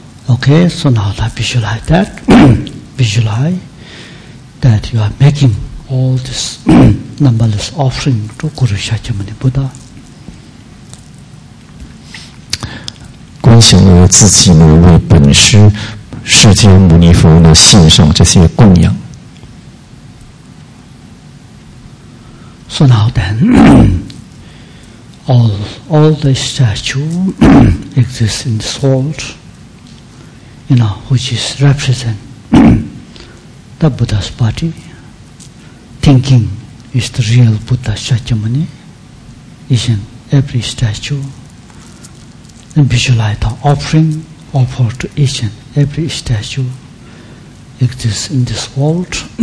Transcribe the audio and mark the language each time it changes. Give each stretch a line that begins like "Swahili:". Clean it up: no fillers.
English: Okay, so now that visualize that, visualize that you are making all this numberless offering to Guru Shakyamuni Buddha.
Chinese: 观想了自己呢，为本师释迦牟尼佛呢献上这些供养。
English: So now then, all the statue exists in this world. You know, which is represent the Buddha's body, thinking is the real Buddha Shakyamuni, is in every statue, and visualize the offering offered to each and every statue exists in this world.